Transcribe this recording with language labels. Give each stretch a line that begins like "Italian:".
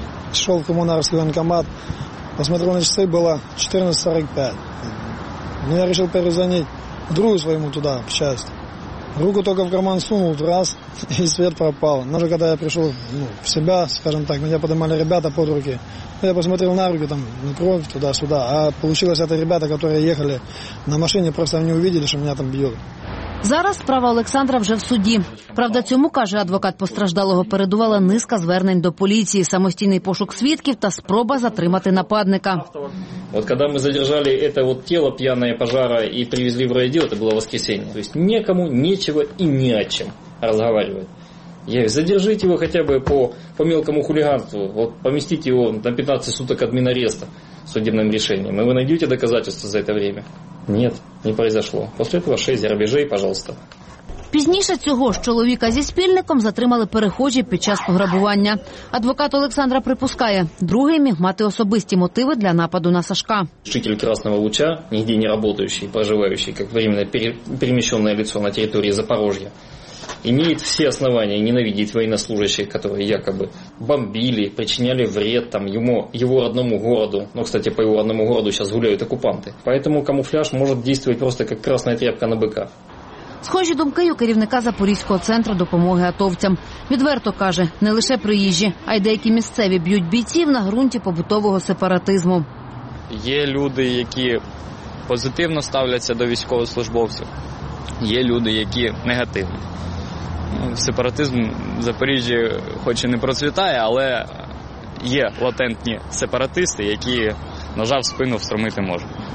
Ukrainian: Пішов в комунарський воєнкомат,
Russian: посмотрю на часи,
Ukrainian: було 14.45. Ну, я вирішив перезвонити другу своєму туди, в частину. Руку тільки в карман сунув, раз, і світ пропав. Ну, вже коли я прийшов в себе, скажімо так, мене підіймали ребята під руки.
Russian: Ну, я посмотрел на руки, там, на кровь, туди-сюди.
Ukrainian: А вийшло, це ребята, які їхали на машині, просто не побачили, що мене там б'ють. Зараз справа Олександра вже в суді. Правда, цьому, каже адвокат постраждалого, передувала низка звернень до поліції, самостійний пошук свідків та спроба затримати нападника. От коли ми задержали це от тіло п'яне пожара і привезли в райдіо, це було воскресенье. Тобто нікому нічого і ні о чим розмовляти. Я говорю, задержите його хоча б по мелкому хуліганству, от помістіть його на 15 суток адмінареста судебним рішенням, і ви знайдете доказательства за це время. Ні, не произошло. Після цього 6 грабежей, пожалуйста. Пізніше цього ж чоловіка зі спільником затримали перехожі під час пограбування. Адвокат Олександра припускає, другий міг мати особисті мотиви для нападу на Сашка.
Russian: Житель Красного Луча,
Ukrainian: нігде не працюючий, проживаючий, як
Russian: временно переміщене лицо на території Запорожжя, имеет все основания ненавидеть военнослужащих, которые якобы бомбили, причиняли вред там, его родному городу. Но, кстати, по его родному городу сейчас гуляют оккупанты. Поэтому камуфляж может действовать просто как красная тряпка на быка.
Ukrainian: Схожі думки у керівника Запорізького центру допомоги атовцям. Відверто каже, не лише приїжджі, а й деякі місцеві б'ють бійців на ґрунті побутового сепаратизму. Є люди, які позитивно ставляться до військовослужбовців. Є люди, які негативні. Сепаратизм в Запоріжжі хоч і не процвітає, але є латентні сепаратисти, які ножа в спину встромити можуть.